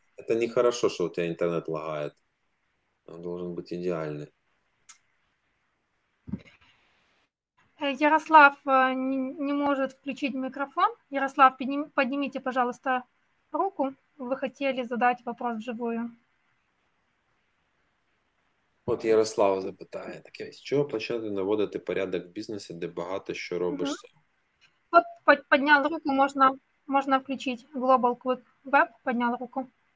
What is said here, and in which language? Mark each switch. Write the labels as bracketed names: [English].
[Russian] Это нехорошо, что у тебя интернет лагает. Он должен быть идеальный. Ярослав не может включить микрофон. Ярослав, поднимите, пожалуйста, руку. Вы хотели задать вопрос вживую. [Ukrainian] Вот Ярослав запитає, так я з чого почати наводити порядок в бізнесі, де багато що робиш сам? Вот, підняв руку, можна включить Global Quick Web, підняв руку.